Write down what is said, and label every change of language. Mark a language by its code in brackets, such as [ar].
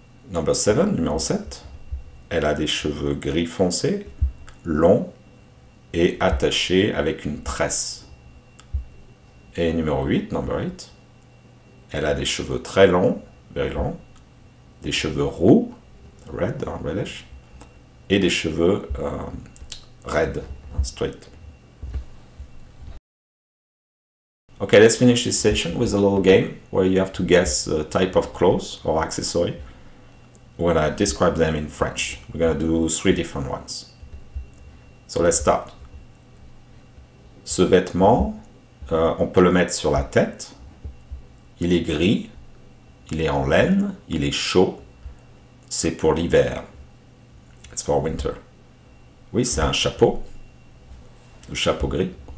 [en] Number 7, [fr] numéro 7, elle a des cheveux gris foncé, longs et attachés avec une tresse. Et numéro 8, [en] number 8, [fr] elle a des cheveux très longs, [en] very long, [fr] des cheveux roux, [en] red, reddish, [fr] et des cheveux raides, [en] straight. Okay, let's finish this session with a little game where you have to guess the type of clothes or accessory when I describe them in French. We're going to do three different ones. So let's start. [fr] Ce vêtement, on peut le mettre sur la tête. Il est gris, il est en laine, il est chaud. C'est pour l'hiver. [en] It's for winter. [fr] Oui, c'est un chapeau. Le chapeau gris.